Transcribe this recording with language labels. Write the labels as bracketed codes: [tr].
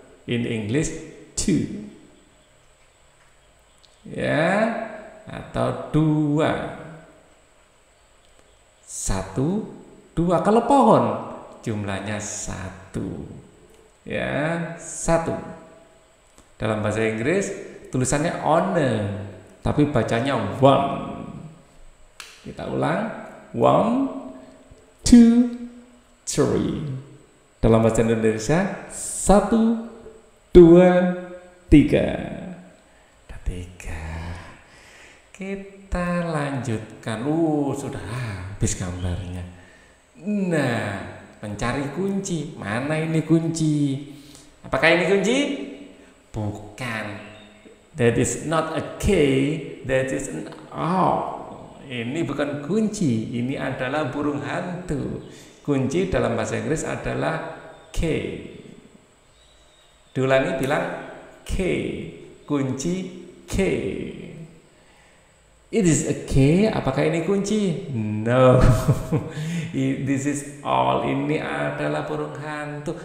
[en] In English two, ya, [id] atau dua. Satu, dua. Kalau pohon jumlahnya satu, ya, satu. Dalam bahasa Inggris tulisannya on, tapi bacanya one. Kita ulang, [en] one, two, three. [id] Dalam bahasa Indonesia satu, dua, tiga. Ada tiga. Kita lanjutkan. Sudah habis gambarnya. Nah, mencari kunci. Mana ini kunci? Apakah ini kunci? Bukan. [en] That is not a key, that is an owl. [id] Ini bukan kunci, ini adalah burung hantu. Kunci dalam bahasa Inggris adalah key. Dulani bilang key, kunci key. [en] It is a key, [id] apakah ini kunci? [en] No. This is owl, [id] ini adalah burung hantu.